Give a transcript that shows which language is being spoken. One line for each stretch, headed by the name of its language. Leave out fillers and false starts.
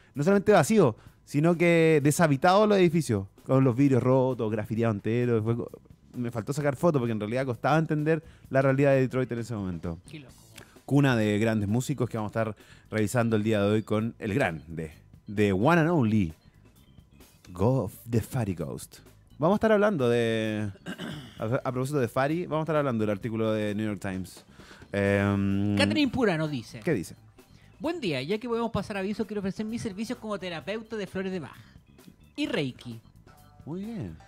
Spanish: No solamente vacío, sino que deshabitados los edificios, con los vidrios rotos, grafiteado entero. Después, me faltó sacar fotos, porque en realidad costaba entender la realidad de Detroit en ese momento. Qué loco. Cuna de grandes músicos que vamos a estar revisando el día de hoy con el grande.
English: The one and only Go of the Fatty Ghost.
Spanish: Vamos a estar hablando de a propósito de Fatty, vamos a estar hablando del artículo de New York Times. Catherine Pura nos dice. ¿Qué dice? Buen día, ya que podemos pasar aviso, quiero ofrecer mis servicios como terapeuta de flores de Bach y Reiki. Muy bien.